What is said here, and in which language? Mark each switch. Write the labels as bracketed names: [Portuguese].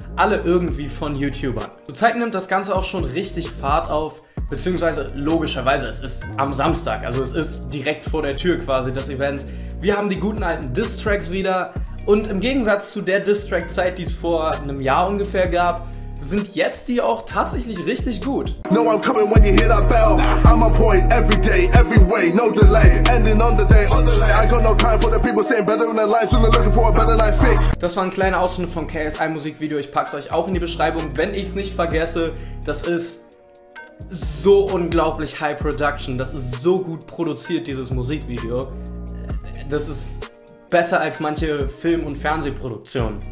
[German] Alle irgendwie von YouTubern. Zurzeit nimmt das Ganze auch schon richtig Fahrt auf. Beziehungsweise, logischerweise, es ist am Samstag. Also es ist direkt vor der Tür quasi, das Event. Wir haben die guten alten Diss-Tracks wieder. Und im Gegensatz zu der Diss-Track-Zeit, die es vor einem Jahr ungefähr gab, sind jetzt die auch tatsächlich richtig gut. [English] No, I'm coming when you hear that bell. I'm on point every day, every way, no delay. Ending on the day, on the line. I got no time for the people saying better than their lives. Only looking for a better life fix. [German] Das war ein kleiner Ausschnitt vom KSI-Musikvideo. Ich pack's euch auch in die Beschreibung, wenn ich's nicht vergesse. Das ist so unglaublich [English] high production. [German] Das ist so gut produziert, dieses Musikvideo. Das ist besser als manche Film- und Fernsehproduktionen.